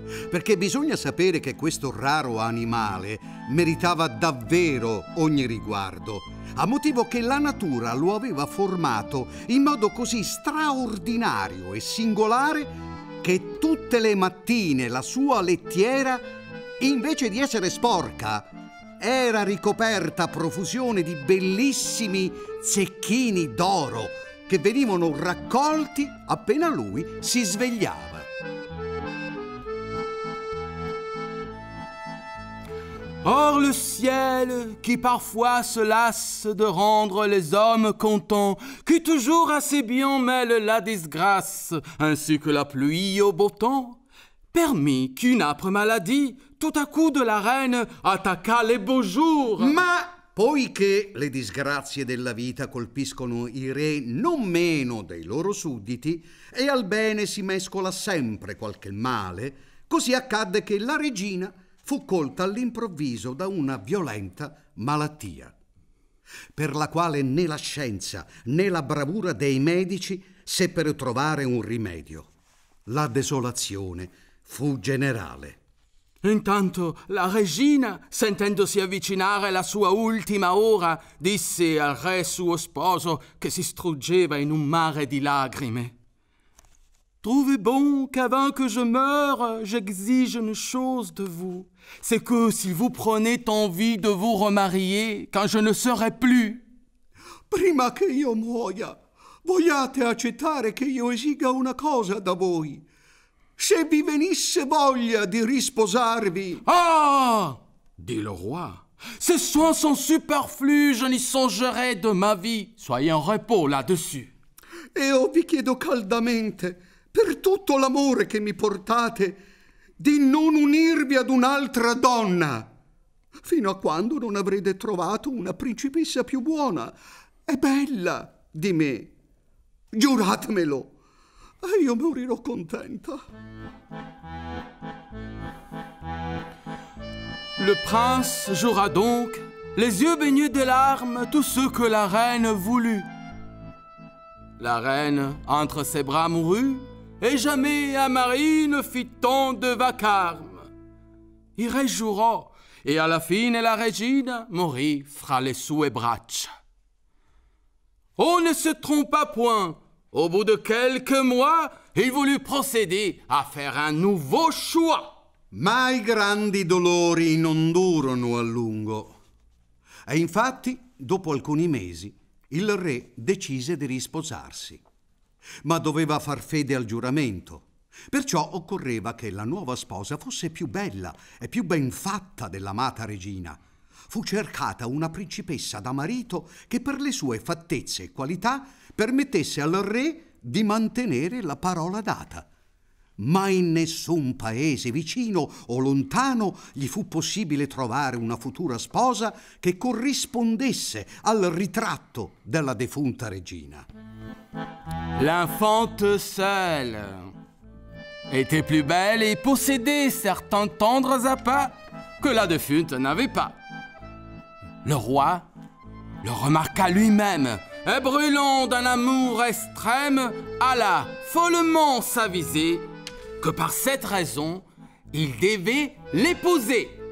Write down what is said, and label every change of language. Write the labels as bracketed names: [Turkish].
[Italian] perché bisogna sapere che questo raro animale meritava davvero ogni riguardo, a motivo che la natura lo aveva formato in modo così straordinario e singolare che tutte le mattine la sua lettiera, invece di essere sporca, era ricoperta a profusione di bellissimi zecchini d'oro che venivano raccolti appena lui si svegliava. [French] Or le ciel, qui parfois se lasse de rendre les hommes contents, qui toujours assez bien mêle la disgrâce ainsi que la pluie au beau temps, permis qu'une âpre maladie tout à coup de la reine attaqua les beaux jours. [Italian] Ma poiché le disgrazie della vita colpiscono i re non meno dei loro sudditi e al bene si mescola sempre qualche male, così accadde che la regina fu colta all'improvviso da una violenta malattia, per la quale né la scienza né la bravura dei medici seppero trovare un rimedio. La desolazione fu generale. Intanto la regina, sentendosi avvicinare la sua ultima ora, disse al re suo sposo, che si struggeva in un mare di lacrime: [French] «Trouvez bon qu'avant que je meure, j'exige une chose de vous, c'est que si vous prenez envie de vous remarier quand je ne serai plus». [Italian] «Prima che io muoia, vogliate accettare che io esiga una cosa da voi? Se vi venisse voglia di risposarvi!» «Ah!» [French] dit le roi, «ces soins sont superflus, je n'y songerai de ma vie. Soyez en repos là-dessus!» [Italian] «E io vi chiedo caldamente, per tutto l'amore che mi portate, di non unirvi ad un'altra donna, fino a quando non avrete trovato una principessa più buona e bella di me. Giuratemelo! E io morirò contenta!» [French] Le prince jura donc, les yeux baignés de larmes, tout ce que la reine voulut. La reine, entre ses bras, mourut, et jamais un mari ne fit tant de vacarme. Il réjura, et à la fine la régine mourit fra les sous et braches. On ne se trompa point. Au bout de quelques mois, il voulut procéder à faire un nouveau choix. [Italian] Mai grandi dolori non durano a lungo. E infatti, dopo alcuni mesi, il re decise di risposarsi. Ma doveva far fede al giuramento. Perciò occorreva che la nuova sposa fosse più bella e più ben fatta dell'amata regina. Fu cercata una principessa da marito che per le sue fattezze e qualità permettesse al re di mantenere la parola data. Ma in nessun paese vicino o lontano gli fu possibile trovare una futura sposa che corrispondesse al ritratto della defunta regina. [French] L'infante seule était plus belle et possédait certains tendres appas que la defunte n'avait pas. Le roi le remarqua lui-même et, brûlant d'un amour extrême, alla follement s'aviser que par cette raison il devait l'épouser.